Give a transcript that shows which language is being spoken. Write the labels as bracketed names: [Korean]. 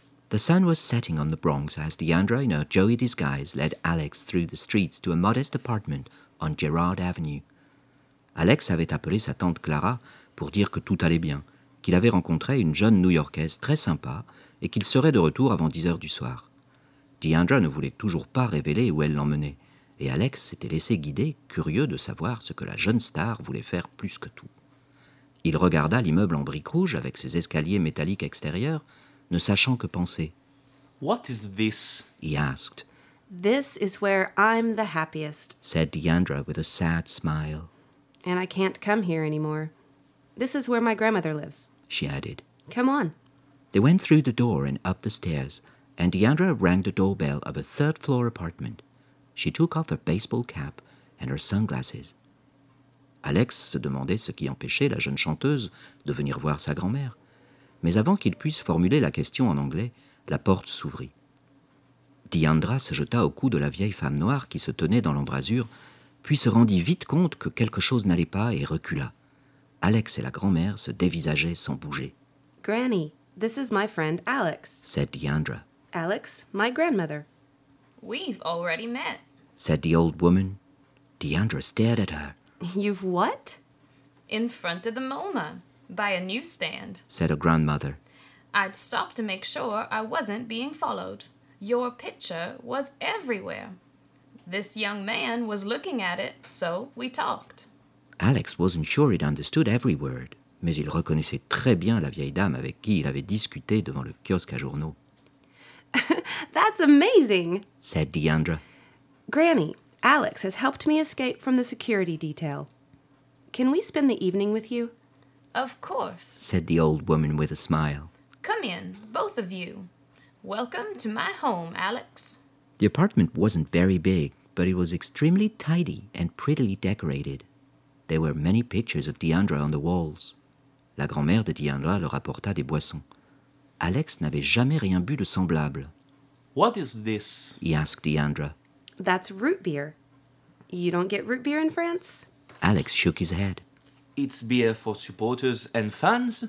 [English] The sun was setting on the Bronx as Deandra in her joey disguise led Alex through the streets to a modest apartment on Gerard Avenue. [French] Alex avait appelé sa tante Clara pour dire que tout allait bien, qu'il avait rencontré une jeune New-Yorkaise très sympa et qu'il serait de retour avant 10h du soir. Deandra ne voulait toujours pas révéler où elle l'emmenait, et Alex s'était laissé guider, curieux de savoir ce que la jeune star voulait faire plus que tout. Il regarda l'immeuble en briques rouges avec ses escaliers métalliques extérieurs, ne sachant que penser. [English] « What is this ?» he asked. « This is where I'm the happiest, » said Deandra with a sad smile. « And I can't come here anymore. This is where my grandmother lives, » she added. « Come on. » They went through the door and up the stairs, and Deandra rang the doorbell of a third-floor apartment. She took off her baseball cap and her sunglasses. [French] Alex se demandait ce qui empêchait la jeune chanteuse de venir voir sa grand-mère. Mais avant qu'il puisse formuler la question en anglais, la porte s'ouvrit. Deandra se jeta au cou de la vieille femme noire qui se tenait dans l'embrasure, puis se rendit vite compte que quelque chose n'allait pas et recula. Alex et la grand-mère se dévisageaient sans bouger. [English] « Granny, this is my friend Alex, » said Deandra. « Alex, my grandmother. » « We've already met, » said the old woman. Deandra stared at her. « You've what ?»« In front of the MoMA, by a newsstand, » said her grandmother. « I'd stopped to make sure I wasn't being followed. Your picture was everywhere. This young man was looking at it, so we talked. » Alex wasn't sure he'd understood every word, [French] mais il reconnaissait très bien la vieille dame avec qui il avait discuté devant le kiosque à journaux. [English] That's amazing, said Deandra. Granny, Alex has helped me escape from the security detail. Can we spend the evening with you? Of course, said the old woman with a smile. Come in, both of you. Welcome to my home, Alex. The apartment wasn't very big, but it was extremely tidy and prettily decorated. There were many pictures of Deandra on the walls. [French] La grand-mère de Deandra leur apporta des boissons. Alex n'avait jamais rien bu de semblable. [English] What is this? He asked Deandra. That's root beer. You don't get root beer in France? Alex shook his head. It's beer for supporters and fans?